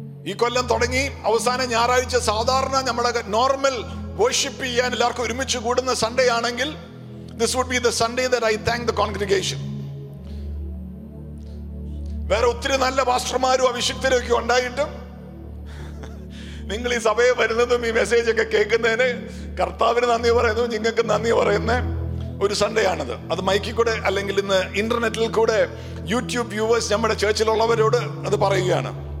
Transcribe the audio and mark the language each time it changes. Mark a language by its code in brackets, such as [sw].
[ml] ഈ കൊല്ലം തുടങ്ങി അവസാന ഞായറാഴ്ച സാധാരണ നമ്മുടെ നോർമൽ വർഷിപ്പ് ചെയ്യാൻ എല്ലാവർക്കും ഒരുമിച്ച് കൂടുന്ന സൺഡേ ആണെങ്കിൽ [en] This would be the Sunday that I thank the congregation. [ml] വേറെ ഒത്തിരി നല്ല പാസ്റ്റർമാരും അഭിഷിക്തരും ഒക്കെ ഉണ്ടായിട്ടും നിങ്ങൾ ഈ സഭയെ വരുന്നതും ഈ മെസ്സേജ് ഒക്കെ കേൾക്കുന്നതിന് കർത്താവിന് നന്ദി പറയുന്നു, നിങ്ങൾക്ക് നന്ദി പറയുന്ന ഒരു സൺഡേ ആണത്. അത് മൈക്കിൽ കൂടെ അല്ലെങ്കിൽ ഇന്ന് ഇന്റർനെറ്റിൽ കൂടെ യൂട്യൂബ് വ്യൂവേഴ്സ് നമ്മുടെ ചേർച്ചിലുള്ളവരോട് അത് പറയുകയാണ്.